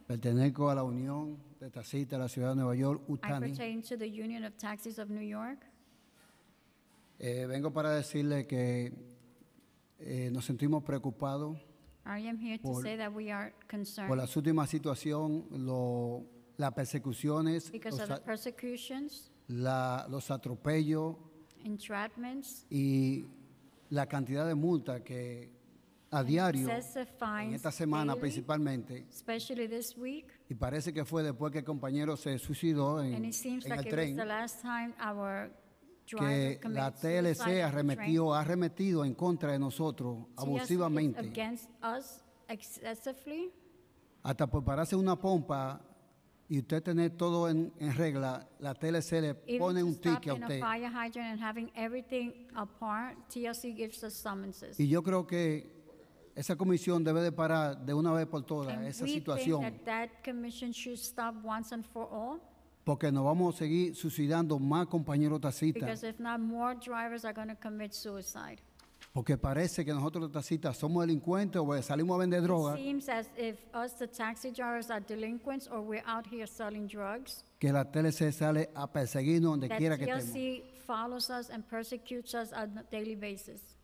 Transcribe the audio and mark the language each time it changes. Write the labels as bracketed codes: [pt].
[es] Pertenezco a la Unión de Taxistas de la Ciudad de Nueva York, UTANI. [en] I pertain to the Union of Taxis of New York. [es] Vengo para decirle que nos sentimos preocupados. [en] I am here to say that we are concerned. [es] Por la última situación, las persecuciones. [en] Because of the persecutions. [es] Los atropellos. [en] Entrapments. [es] Y la cantidad de multa que a diario, en esta semana [en] daily, [es] principalmente. [en] Especially this week. [es] Y parece que fue después que el compañero se suicidó en el tren. [en] And it seems like it was the last time our [es] que la TLC ha arremetido en contra de nosotros abusivamente. Hasta prepararse una pompa y usted tener todo en regla, la TLC le pone un ticket a usted. [en] Even to stop in a fire hydrant and having everything apart, TLC gives us summonses. [es] Y yo creo que esa comisión debe de parar de una vez por todas esa situación. [en] And we think that commission should stop once and for all. [es] Porque nos vamos a seguir suicidando más compañeros taxistas. [en] Because if not, more drivers are going to commit suicide. [es] Porque parece que nosotros los taxistas somos delincuentes o salimos a vender drogas. [en] It seems as if us, the taxi drivers, are delinquents or we're out here selling drugs. [es] Que la TLC sale a perseguirnos donde quiera que estemos. [en] That TLC follows us and persecutes us on a daily basis.